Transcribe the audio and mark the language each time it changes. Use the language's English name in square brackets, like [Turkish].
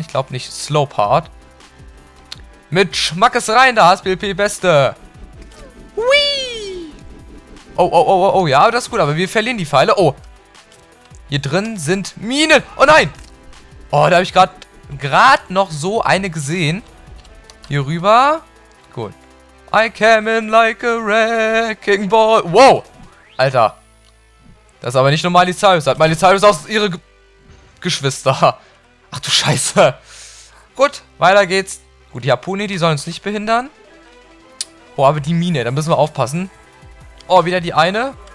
[German] Ich glaube nicht. Slow Part. Mit Schmackes rein, da HSPLP Beste. Whee! Oh, oh, oh, oh, oh, ja, das ist gut, aber wir verlieren die Pfeile. Oh. Hier drin sind Minen. Oh nein! Oh, da habe ich gerade noch so eine gesehen. Hier rüber. Gut. [English] I came in like a wrecking ball. [German] Wow! Alter. Das ist aber nicht nur Miley Cyrus. Hat Miley Cyrus aus ihre. Geschwister. Ach du Scheiße. Gut, weiter geht's. Gut, die Harpune, die sollen uns nicht behindern. Oh, aber die Mine, da müssen wir aufpassen. Oh, wieder die eine.